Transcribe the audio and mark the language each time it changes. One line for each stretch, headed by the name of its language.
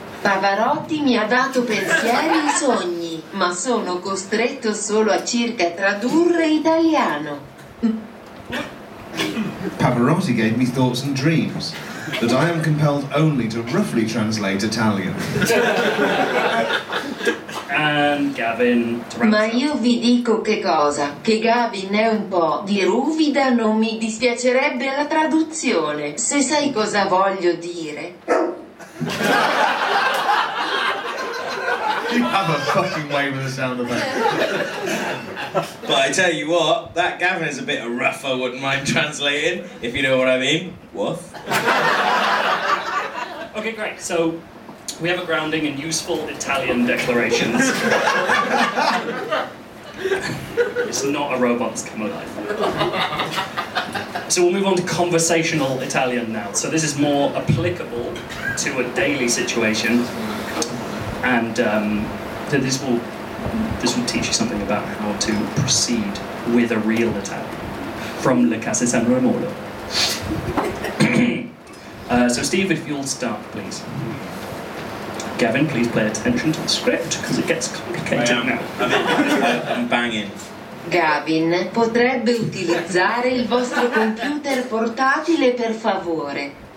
Italian: Pavarotti mi ha dato pensieri e sogni, ma sono costretto solo a circa tradurre italiano.
English: Pavarotti gave me thoughts and dreams, but I am compelled only to roughly translate Italian. And Gavin...
Italian: Ma io vi dico che cosa, che Gavin è un po' di ruvida, non mi dispiacerebbe la traduzione, se sai cosa voglio dire.
English: You have a fucking way with the sound of that. But I tell you what, that Gavin is a bit rough, I wouldn't mind translating, if you know what I mean. Woof. Okay, great, so we have a grounding in useful Italian declarations. It's not a robot's come alive. So we'll move on to conversational Italian now. So this is more applicable to a daily situation. And this will teach you something about how to proceed with a real Italian from La Casa San Romolo. So Steve, if you'll start, please. Gavin, please pay attention to the script because it gets complicated now. I'm banging.
Italian: Gavin, potrebbe utilizzare il vostro computer portatile, per favore?